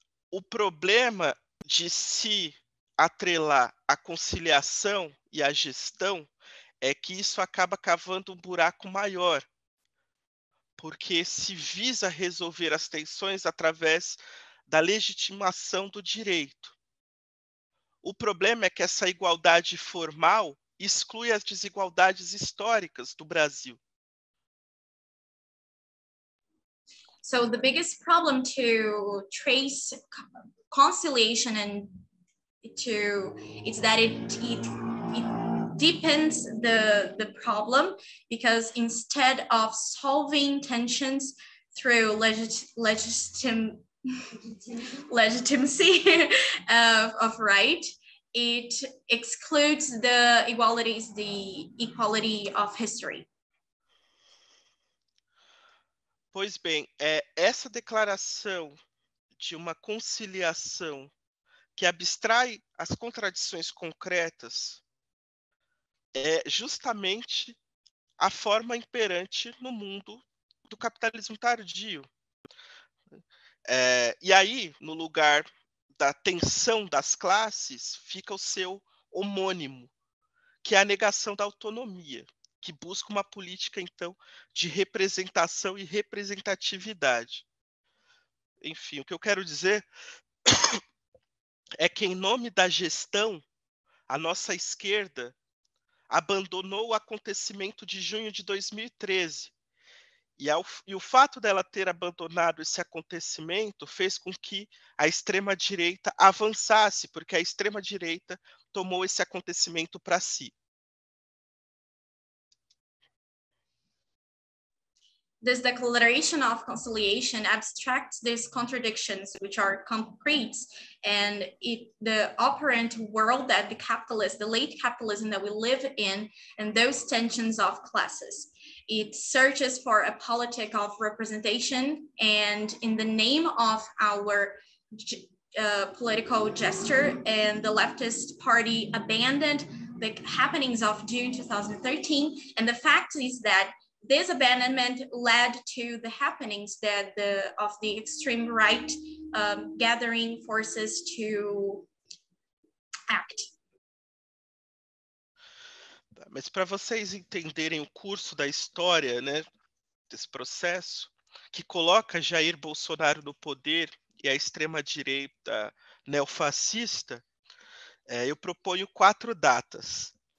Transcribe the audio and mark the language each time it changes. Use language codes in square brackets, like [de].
[pt] O problema de se atrelar à conciliação e à gestão é que isso acaba cavando um buraco maior, porque se visa resolver as tensões através da legitimação do direito. O problema é que essa igualdade formal exclui as desigualdades históricas do Brasil. [en] So the biggest problem to trace conciliation and to is that it deepens the problem, because instead of solving tensions through legitimacy of right, it excludes the equalities, the equality of history. [pt] Pois bem, essa declaração de uma conciliação que abstrai as contradições concretas é justamente a forma imperante no mundo do capitalismo tardio. E aí, no lugar da tensão das classes, fica o seu homônimo, que é a negação da autonomia, que busca uma política, então, de representação e representatividade. Enfim, o que eu quero dizer é que, em nome da gestão, a nossa esquerda abandonou o acontecimento de junho de 2013, E o fato dela ter abandonado esse acontecimento fez com que a extrema-direita avançasse, porque a extrema-direita tomou esse acontecimento para si. [en] This declaration of conciliation abstracts these contradictions, which are concrete, and the operant world that the capitalist, the late capitalism that we live in, and those tensions of classes. It searches for a politic of representation, and in the name of our political gesture, and the leftist party abandoned the happenings of June 2013. And the fact is that this abandonment led to the happenings that of the extreme right gathering forces to act. [pt] Mas para vocês entenderem o curso da história, né, desse processo, que coloca Jair Bolsonaro no poder e a extrema-direita neofascista, eu proponho quatro datas.